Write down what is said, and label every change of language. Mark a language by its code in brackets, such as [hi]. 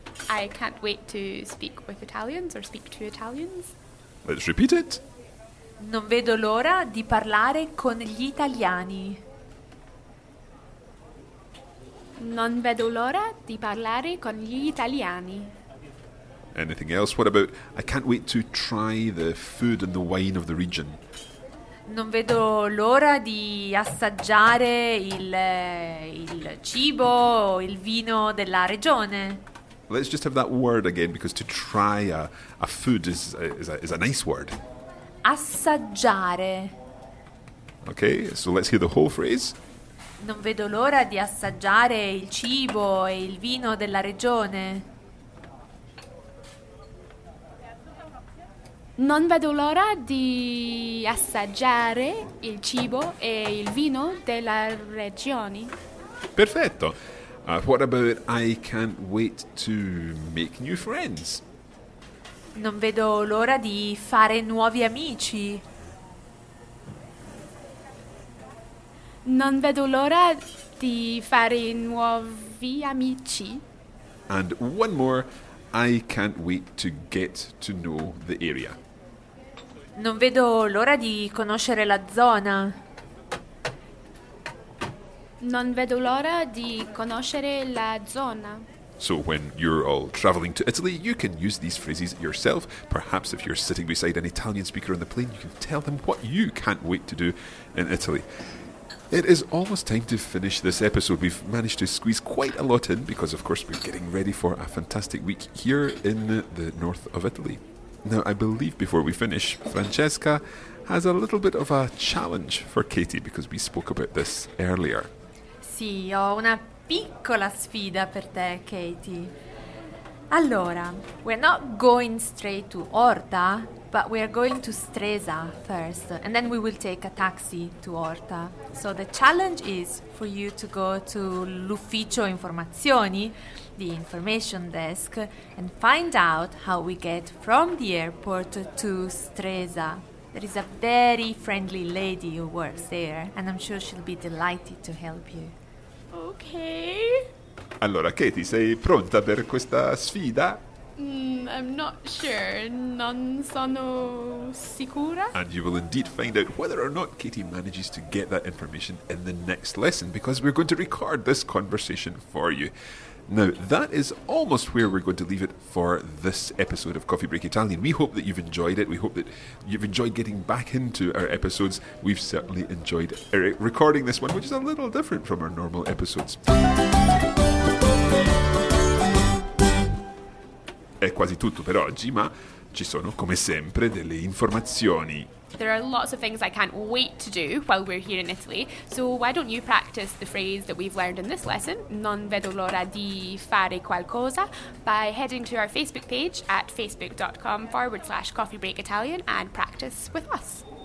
[en] I can't wait to speak with Italians or speak to Italians. Let's repeat it. [it] Non vedo l'ora di parlare con gli italiani. Non vedo l'ora di parlare con gli italiani. [en] Anything else? What about, I can't wait to try the food and the wine of the region. [it] Non vedo l'ora di assaggiare il cibo, il vino della regione. [en] Let's just have that word again, because to try a food is a nice word. [it] Assaggiare. [en] Okay, so let's hear the whole phrase. [it] Non vedo l'ora di assaggiare il cibo e il vino della regione. Non vedo l'ora di assaggiare il cibo e il vino della regione. Perfetto. [en] What about I can't wait to make new friends? [it] Non vedo l'ora di fare nuovi amici. Non vedo l'ora di fare nuovi amici. [en] And one more. I can't wait to get to know the area. [it] Non vedo l'ora di conoscere la zona. Non vedo l'ora di conoscere la zona. [en] So when you're all traveling to Italy, you can use these phrases yourself. Perhaps if you're sitting beside an Italian speaker on the plane, you can tell them what you can't wait to do in Italy. It is almost time to finish this episode. We've managed to squeeze quite a lot in because, of course, we're getting ready for a fantastic week here in the north of Italy. Now, I believe before we finish, Francesca has a little bit of a challenge for Katie because we spoke about this earlier. [it] Sì, ho una piccola sfida per te, Katie. [en] Allora, we're not going straight to Horta, but we're going to Stresa first, and then we will take a taxi to Horta. So the challenge is for you to go to [it] l'ufficio informazioni, [en] the information desk, and find out how we get from the airport to Stresa. There is a very friendly lady who works there, and I'm sure she'll be delighted to help you. Okay. [it] Allora, Katie, sei pronta per questa sfida? [en] I'm not sure. [it] Non sono sicura. [en] And you will indeed find out whether or not Katie manages to get that information in the next lesson, because we're going to record this conversation for you. Now, that is almost where we're going to leave it for this episode of Coffee Break Italian. We hope that you've enjoyed it. We hope that you've enjoyed getting back into our episodes. We've certainly enjoyed recording this one, which is a little different from our normal episodes. [it] È quasi tutto per oggi, ma ci sono, come sempre, delle informazioni. [en] There are lots of things I can't wait to do while we're here in Italy. So why don't you practice the phrase that we've learned in this lesson, [it] non vedo l'ora di fare qualcosa, [en] by heading to our Facebook page at facebook.com/coffeebreakitalian and practice with us.